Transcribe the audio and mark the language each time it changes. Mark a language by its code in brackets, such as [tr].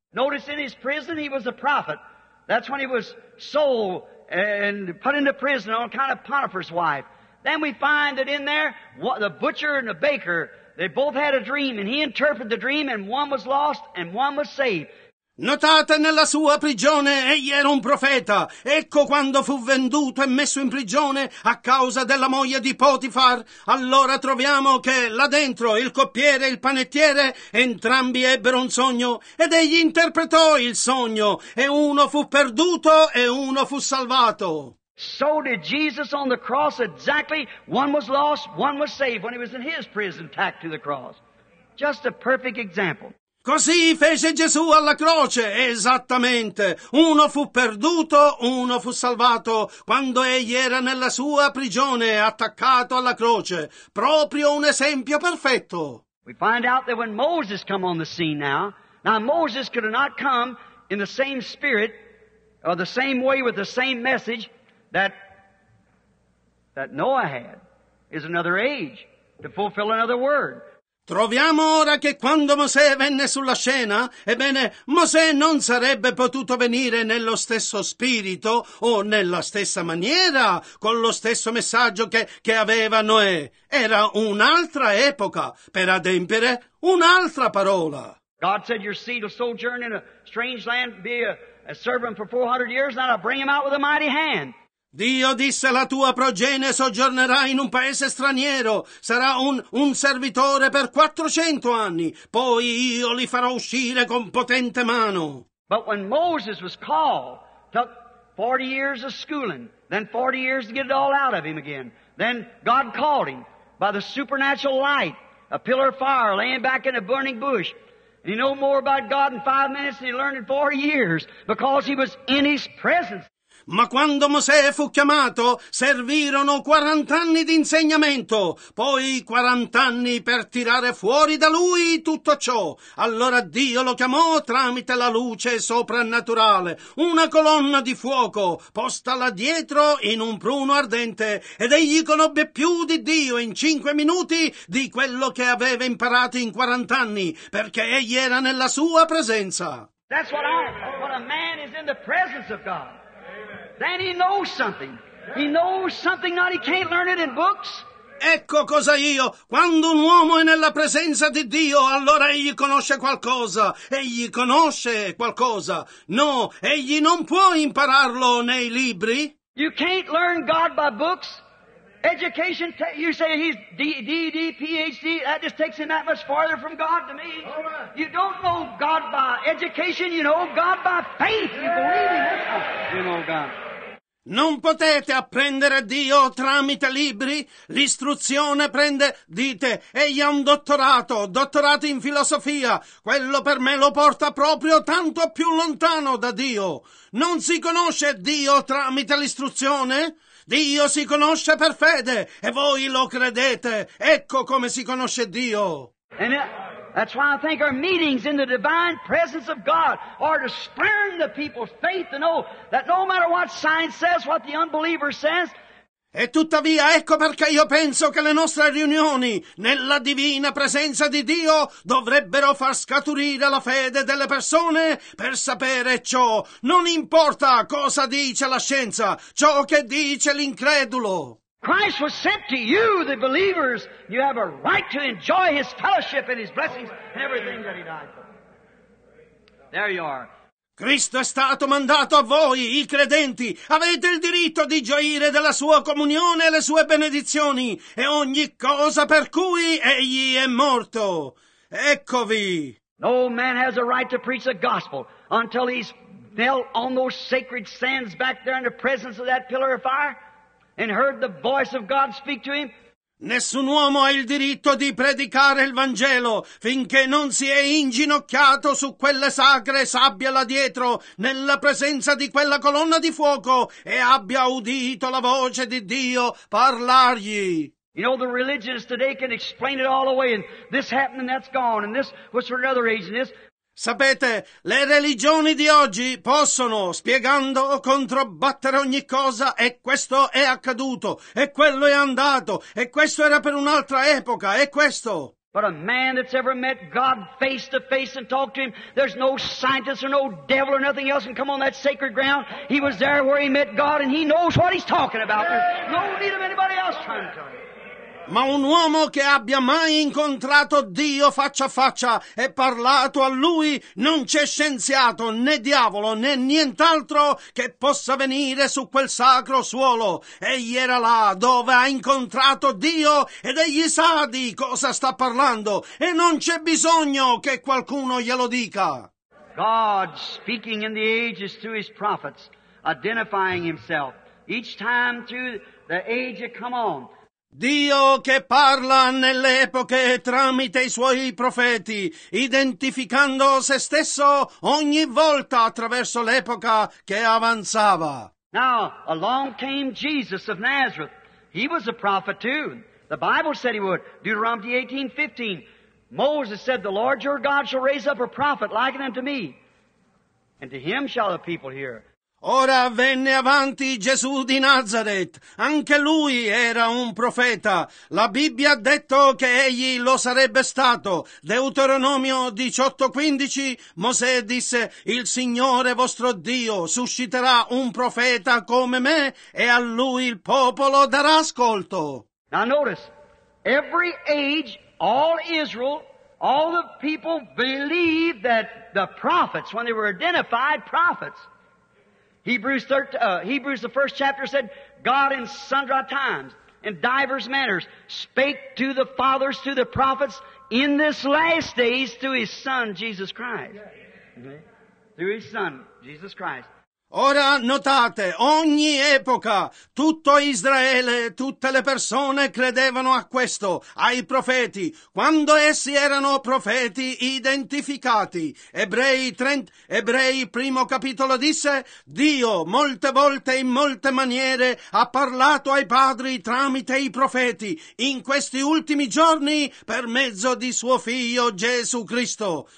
[en] Notice in his prison he was a prophet. That's when he was sold and put into prison on account of Potiphar's wife. Then we find that in there, the butcher and the baker, they both had a dream, and he interpreted the dream, and one was lost, and one was saved. [it] Notate, nella sua prigione egli era un profeta. Ecco quando fu venduto e messo in prigione a causa della moglie di Potifar. Allora troviamo che là dentro il coppiere e il panettiere entrambi ebbero un sogno ed egli interpretò il sogno e uno fu perduto e uno fu salvato. [en] So did Jesus on the cross exactly. One was lost, one was saved when he was in his prison tacked to the cross. Just a perfect example. [it] Così fece Gesù alla croce, esattamente. Uno fu perduto, uno fu salvato, quando egli era nella sua prigione, attaccato alla croce. Proprio un esempio perfetto. [en] We find out that when Moses come on the scene now Moses could not come in the same spirit, or the same way with the same message that Noah had, is another age to fulfill another word. [it] Troviamo ora che quando Mosè venne sulla scena, ebbene, Mosè non sarebbe potuto venire nello stesso spirito o nella stessa maniera con lo stesso messaggio che aveva Noè. Era un'altra epoca per adempiere un'altra parola. [en] God said your seed will sojourn in a strange land, be a servant for 400 years, and I'll bring him out with a mighty hand. [it] Dio disse, la tua progenie soggiornerà in un paese straniero, sarà un servitore per 400 anni, poi io li farò uscire con potente mano. [en] But when Moses was called, took 40 years of schooling, then 40 years to get it all out of him again, then God called him by the supernatural light, a pillar of fire laying back in a burning bush. And he know more about God in 5 minutes than he learned in 40 years, because he was in his presence. [it] Ma quando Mosè fu chiamato, servirono 40 anni di insegnamento, poi 40 anni per tirare fuori da lui tutto ciò. Allora Dio lo chiamò tramite la luce soprannaturale, una colonna di fuoco posta là dietro in un pruno ardente, ed egli conobbe più di Dio in 5 minuti di quello che aveva imparato in 40 anni, perché egli era nella sua presenza. [en] That's what a man is in the presence of God. Then he knows something. He knows something that he can't learn it in books. [it] Ecco cosa io. Quando un uomo è nella presenza di Dio, allora egli conosce qualcosa. Egli conosce qualcosa. No, egli non può impararlo nei libri. [en] You can't learn God by books. Education, you say he's D.D., Ph.D., that just takes him that much farther from God to me. You don't know God by education, you know God by faith. You believe in him, you know God. [it] Non potete apprendere Dio tramite libri. L'istruzione prende, dite, egli ha un dottorato in filosofia. Quello per me lo porta proprio tanto più lontano da Dio. Non si conosce Dio tramite l'istruzione? Dio si conosce per fede, e voi lo credete. Ecco come si conosce Dio. [en] And that's why I think our meetings in the divine presence of God are to spurn the people's faith to know that no matter what science says, what the unbeliever says. [it] E tuttavia, ecco perché io penso che le nostre riunioni nella divina presenza di Dio dovrebbero far scaturire la fede delle persone per sapere ciò. Non importa cosa dice la scienza, ciò che dice l'incredulo. [en] Christ was sent to you, the believers. You have a right to enjoy his fellowship and his blessings and everything that he died for. There you are. [it] Cristo è stato mandato a voi, i credenti. Avete il diritto di gioire della sua comunione e le sue benedizioni e ogni cosa per cui egli è morto. Eccovi. [en] No man has a right to preach the gospel until he's knelt on those sacred sands back there in the presence of that pillar of fire and heard the voice of God speak to him. [it] Nessun uomo ha il diritto di predicare il Vangelo finché non si è inginocchiato su quelle sacre sabbie là dietro, nella presenza di quella colonna di fuoco, e abbia udito la voce di Dio parlargli. [en] You know, the religions today can explain it all away, and this happened and that's gone, and this was for another age, and this... [it] Sapete, le religioni di oggi possono, spiegando o controbattere ogni cosa, e questo è accaduto, e quello è andato, e questo era per un'altra epoca, e questo. [en] But a man that's ever met God face to face and talked to him, there's no scientist or no devil or nothing else can come on that sacred ground. He was there where he met God and he knows what he's talking about. There's no need of anybody else trying to tell him. [it] Ma un uomo che abbia mai incontrato Dio faccia a faccia e parlato a Lui, non c'è scienziato, né diavolo, né nient'altro che possa venire su quel sacro suolo. Egli era là dove ha incontrato Dio ed egli sa di cosa sta parlando e non c'è bisogno che qualcuno glielo dica. [en] God speaking in the ages through His prophets, identifying Himself each time through the age that come on. [it] Dio che parla nelle epoche tramite i suoi profeti, identificando se stesso ogni volta attraverso l'epoca che avanzava. [en] Now, along came Jesus of Nazareth. He was a prophet too. The Bible said he would. Deuteronomy 18:15. Moses said, "The Lord your God shall raise up a prophet like unto me, and to him shall the people hear." [it] Ora venne avanti Gesù di Nazaret. Anche lui era un profeta. La Bibbia ha detto che egli lo sarebbe stato. Deuteronomio 18:15, Mosè disse, "Il Signore vostro Dio susciterà un profeta come me e a lui il popolo darà ascolto." [en] Now notice, every age, all Israel, all the people believed that the prophets, when they were identified prophets, Hebrews the first chapter said, God in sundry times, in divers manners, spake to the fathers, to the prophets, in this last days, through his Son, Jesus Christ. Okay? Through his Son, Jesus Christ. [it] Ora notate, ogni epoca, tutto Israele, tutte le persone credevano a questo, ai profeti, quando essi erano profeti identificati. Ebrei primo capitolo disse, Dio molte volte in molte maniere ha parlato ai padri tramite i profeti, in questi ultimi giorni per mezzo di suo figlio Gesù Cristo.